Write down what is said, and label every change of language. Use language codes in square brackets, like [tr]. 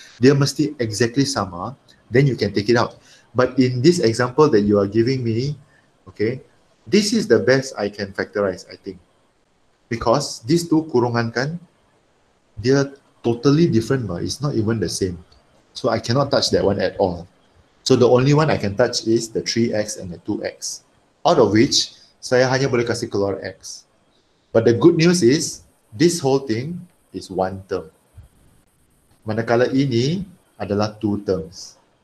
[ms] Dia mesti [en] exactly sama, then you can take it out. But in this example that you are giving me, okay, this is the best I can factorize, I think. Because these two kurungan kan, they are totally different. It's not even the same. So I cannot touch that one at all. So the only one I can touch is the 3x and the 2x. Out of which, [ms] saya hanya boleh kasih keluar x. [en] But the good news is, this whole thing is one term. [ms] Manakala ini adalah two terms.